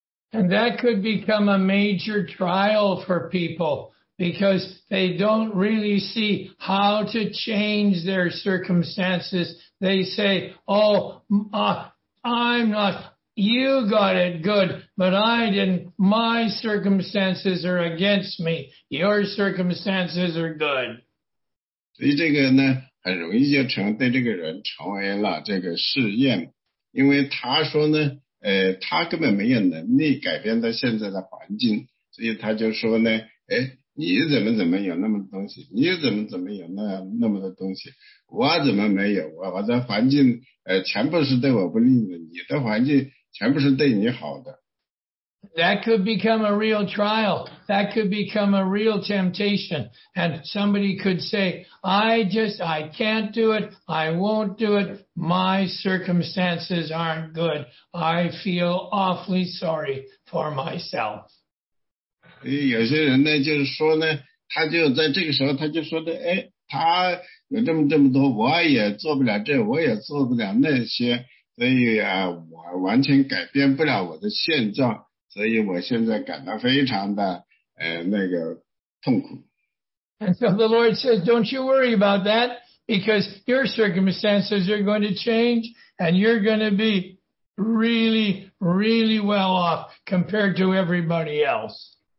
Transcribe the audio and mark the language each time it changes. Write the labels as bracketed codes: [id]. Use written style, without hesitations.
[en] And that could become a major trial for people because they don't really see how to change their circumstances. They say, oh, I'm not, you got it good, but I didn't, my circumstances are against me. Your circumstances are good. [zh] 所以这个呢，很容易就成对这个人成为了这个试验，因为他说呢， 他根本没有能力改变他现在的环境，所以他就说呢，哎，你怎么有那么多东西？你怎么有那么多东西？我怎么没有？我的环境全部是对我不利的，你的环境全部是对你好的。 [en] That could become a real trial. That could become a real temptation. And somebody could say, I can't do it. I won't do it. My circumstances aren't good. I feel awfully sorry for myself. [zh] 有些人呢，就是说呢，他就在这个时候，他就说的，哎，他有这么多，我也做不了这，我也做不了那些，所以啊，我完全改变不了我的现状。 [en] And so the Lord says, don't you worry about that, because your circumstances are going to change and you're going to be really, really well off compared to everybody else.